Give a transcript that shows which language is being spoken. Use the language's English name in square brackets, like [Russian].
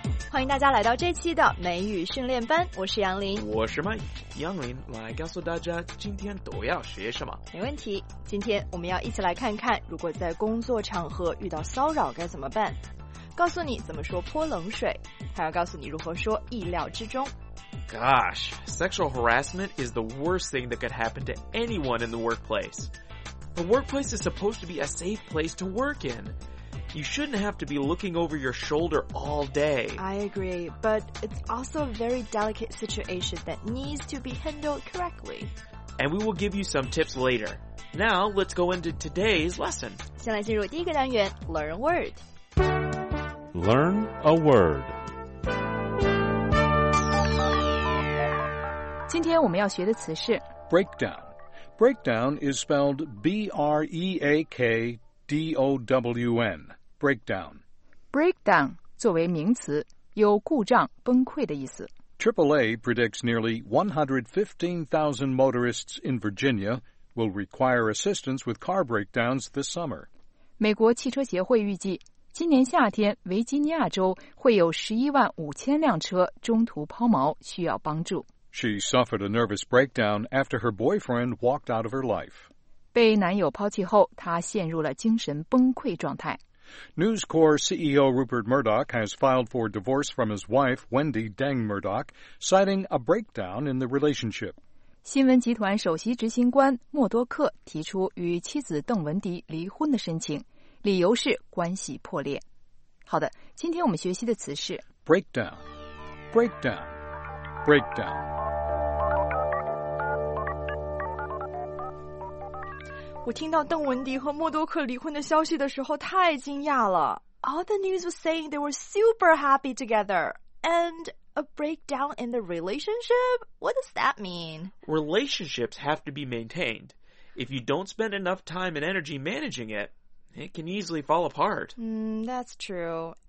[Chinese] 欢迎大家来到这期的美语训练班，我是杨林。我是麦杨林，来告诉大家今天都要学什么。没问题，今天我们要一起来看看如果在工作场合遇到骚扰该怎么办，告诉你怎么说泼冷水，还要告诉你如何说意料之中。 [English] Gosh, sexual harassment is the worst thing that could happen to anyone in the workplace. The workplace is supposed to be a safe place to work in. You shouldn't have to be looking over your shoulder all day. I agree, but it's also a very delicate situation that needs to be handled correctly. And we will give you some tips later. Now, let's go into today's lesson. [Chinese] 先来进入第一个单元 [English] Learn Word. Learn a Word. [Chinese] 今天我们要学的词是 [English] breakdown. Breakdown is spelled B-R-E-A-K-D-O-W-N. Breakdown. [Chinese] Breakdown 作为名词，有故障、崩溃的意思。 [English] AAA predicts nearly 115,000 motorists in Virginia will require assistance with car breakdowns this summer. [Chinese] 美国汽车协会预计，今年夏天维吉尼亚州会有115,000辆车中途抛锚，需要帮助。 [English] She suffered a nervous breakdown after her boyfriend walked out of her life. [Chinese] 被男友抛弃后，她陷入了精神崩溃状态。 [English] News Corp CEO Rupert Murdoch has filed for divorce from his wife, Wendy Deng Murdoch, citing a breakdown in the relationship. [Chinese] 新闻集团首席执行官默多克提出与妻子邓文迪离婚的申请，理由是关系破裂。好的，今天我们学习的词是 [English] breakdown, breakdown. Breakdown. [Chinese] 我听到邓文迪和默多克离婚的消息的时候太惊讶了。 [English] All the news was saying they were super happy together. And a breakdown in the relationship? What does that mean? Relationships have to be maintained. If you don't spend enough time and energy managing it, it can easily fall apart. That's true.